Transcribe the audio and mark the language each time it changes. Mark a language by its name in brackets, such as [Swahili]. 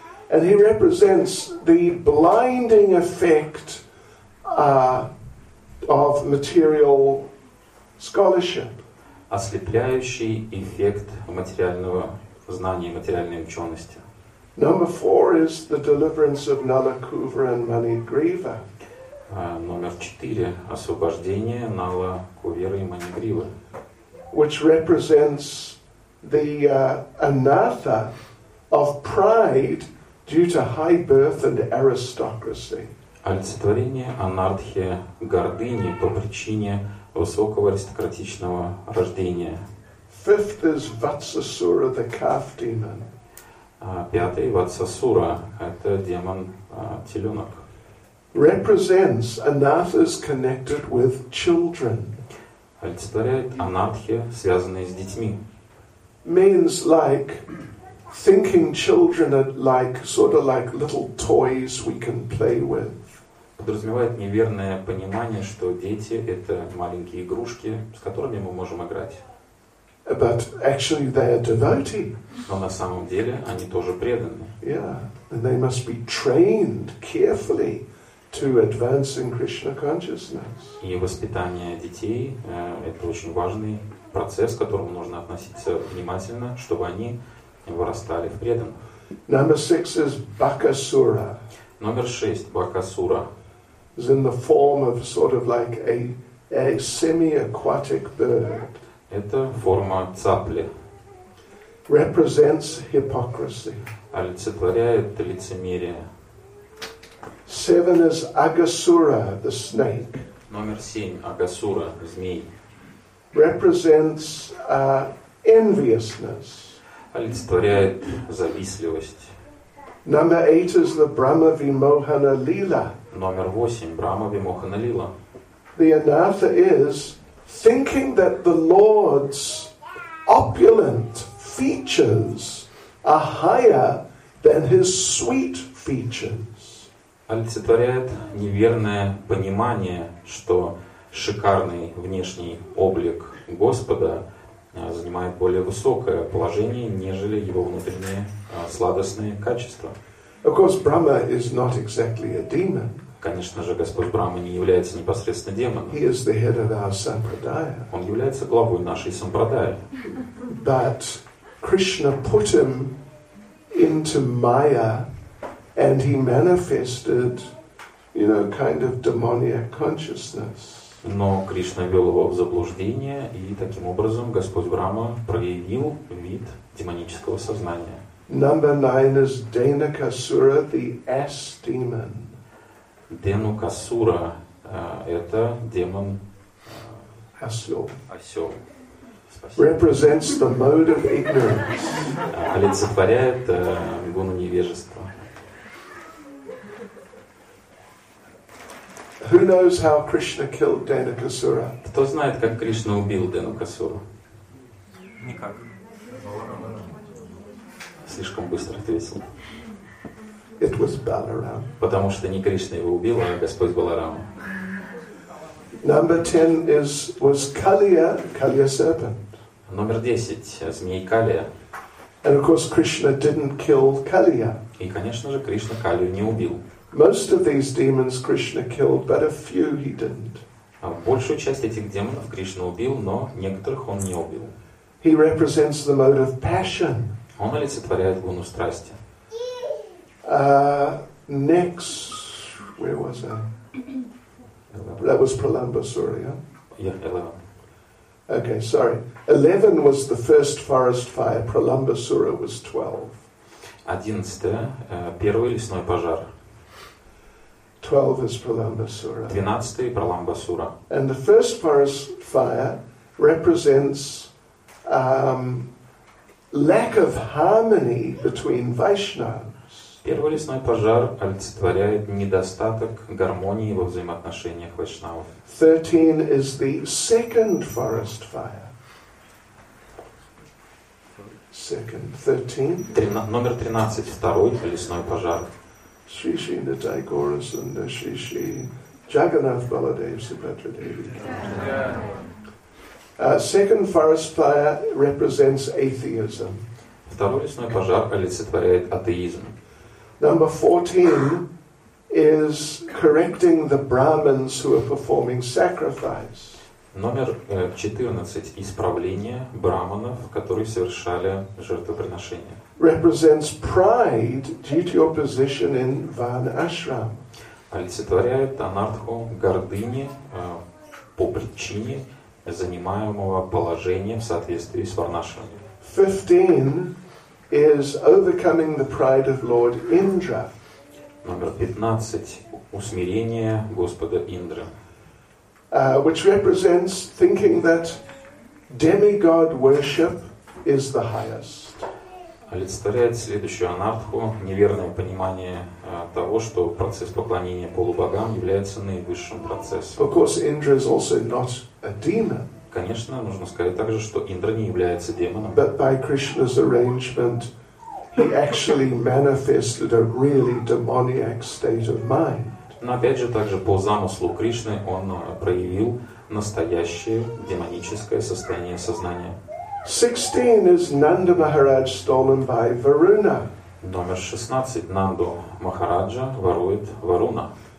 [English] And he represents the blinding effect of material scholarship. [Russian] Ослепляющий эффект материального знания, материальной учености. [English] Number four is the deliverance of Nalakuvra and Manigriva. [Russian] Номер четыре – освобождение Нала-Кувера и Манигрива. [English] Which represents the anatha of pride due to high birth and aristocracy. [Russian] Олицетворение анартхи гордыни по причине высокого аристократичного рождения. [English] Fifth is Vatsasura, the calf demon. [Russian] Пятый – Ватсасура, это демон теленок. [English] Represents anathas connected with children. [Russian] Олицетворяет анартхи, связанные с детьми. [English] Means like thinking children are like sort of like little toys we can play with. [Russian] Подразумевает неверное понимание, что дети это маленькие игрушки, с которыми мы можем играть. [English] But actually they are devotee. [Russian] Но на самом деле они тоже преданные. [English] Yeah, and they must be trained carefully to advance in Krishna consciousness. [Russian] И воспитание детей это очень важный процесс, к которому нужно относиться внимательно, чтобы они вырастали в преданных. [English] Number six is Bakasura. [Russian] Номер шесть – Бакасура. [English] Is in the form of sort of like a semi-aquatic bird. [Russian] Это форма цапли. [English] Represents hypocrisy. [Russian] Олицетворяет лицемерие. [English] 7 is Agasura, the snake. [Russian] Номер 7, Агасура, змей. [English] Represents enviousness. [Russian] Олицетворяет завистливость. [English] Number 8 is the Brahma Vimohana Lila. [Russian] Номер 8, Брама Вимохана Лила. [English] The anatha is thinking that the Lord's opulent features are higher than his sweet features. [Russian] Олицетворяет неверное понимание, что шикарный внешний облик Господа занимает более высокое положение, нежели его внутренние сладостные качества. [English] Of course, Brahma is not exactly a demon. [Russian] Конечно же, Господь Брама не является непосредственно демоном. [English] He is the head of our sampradaya. [Russian] Он является главой нашей сампрадаи. [English] But Krishna put him into Maya, and he manifested, you know, kind of demoniac consciousness. [Russian] Но Кришна ввел его в заблуждение, и таким образом Господь Брама проявил вид демонического сознания. [English] Number 9 is Dainakasura, the ass demon. [Russian] Денукасура это демон осел. [English] Represents the mode of ignorance. [Russian] Олицетворяет гуну невежества. [English] Who knows how Krishna killed Dainakasura? [Russian] Кто знает, как Кришна убил Денукасуру? Никак. Слишком быстро ответил. [English] It was Balaram. [Russian] Потому что не Кришна его убил, а Господь Баларам. [English] Number 10 was Kaliya, Kaliya serpent. [Russian] Номер 10 змей Калия. [English] And of course Krishna didn't kill Kaliya. [Russian] И, конечно же, Кришна Калию не убил. [English] Most of these demons Krishna killed, but a few he didn't. [Russian] Большую часть этих демонов Кришна убил, но некоторых он не убил. [English] He represents the mode of passion. [Russian] Он олицетворяет гуну страсти. [English] Next, where was I? 11. That was Pralambasura, yeah? Yeah, 11. Okay, sorry. 11 was the first forest fire. Pralambasura was 12. [Russian] 11, первый лесной пожар. 12 is Pralambasura. 12 Pralambasura. [English] And the first forest fire represents lack of harmony between Vaishnavas. [Russian] Первый лесной пожар олицетворяет недостаток гармонии во взаимоотношениях вайшнавов. [English] 13 is the second forest fire. Second, 13. [Russian] Номер 13, второй лесной пожар. [English] Shri Shri Nitai Gaurasunda, Shri Shri Jagannath Baladev Subhadra Devi. Second forest fire represents atheism. [Russian] Второй лесной пожар олицетворяет атеизм. [English] Number 14 is correcting the Brahmins who are performing sacrifice. [Russian] Номер 14 исправление браманов, которые совершали жертвоприношения. [English] Represents pride due to your position in Vanashram. [Russian] Олицетворяет анартху гордыни по причине занимаемого положения в соответствии с Варнашрамом. [English] 15 is overcoming the pride of Lord Indra. [Russian] Номер 15 усмирение Господа Индры. [English] Which represents thinking that demigod worship is the highest. [Russian] Олицетворяет следующую анартху неверное понимание того, что процесс поклонения полубогам является наивысшим процессом. [English] Of course, Indra is also not a demon. [Russian] Конечно, нужно сказать также, что Индра не является демоном. [English] But by Krishna's arrangement, he actually manifested a really demoniac state of mind. [Russian] Но опять же, также по замыслу Кришны он проявил настоящее демоническое состояние сознания. [English] 16 is Nanda Maharaj stolen by Varuna. [Russian] Номер 16 Нанду Махараджа ворует Варуна.